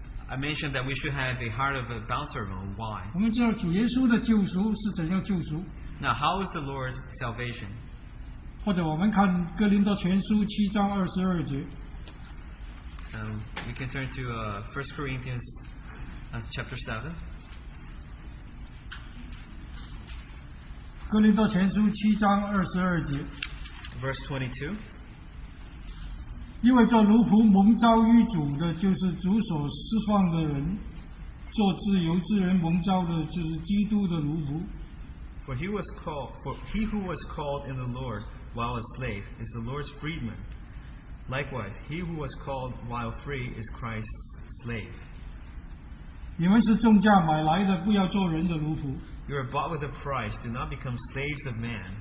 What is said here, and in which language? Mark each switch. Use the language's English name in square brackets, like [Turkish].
[English] That we should have a heart of a bond servant. Why? [Chinese] 我们知道主耶稣的救赎是怎样救赎。 [English] Now how is the Lord's salvation? [Chinese] 或者我们看哥林多前书7章22节。 [English] We can turn to 1 Corinthians chapter 7. [Chinese] 哥林多前书7章22节。 [English] Verse 22. [Chinese] 因为做奴仆蒙召于主的，就是主所释放的人；做自由之人蒙召的，就是基督的奴仆。 [English] For he was called, for he who was called in the Lord while a slave is the Lord's freedman. Likewise, he who was called while free is Christ's slave. [Chinese] 你们是重价买来的，不要做人的奴仆。 [English] You are bought with a price; do not become slaves of man.